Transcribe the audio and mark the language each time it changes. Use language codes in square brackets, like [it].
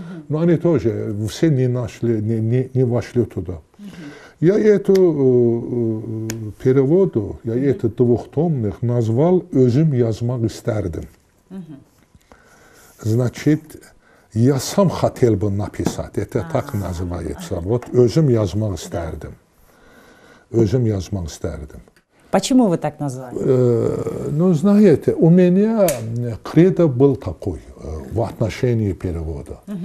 [ru] Но они тоже все не нашли, не вошли туда. Я эту переводу, я этот двухтомник назвал [tr] «Özüm yazmak isterdim». [ru] Значит, я сам хотел бы написать, это так называется. [tr] Вот «Özüm yazmak isterdim». «Özüm yazmak isterdim». [ru] Почему вы так назвали? Ну, знаете, у меня кредо был такой в отношении перевода.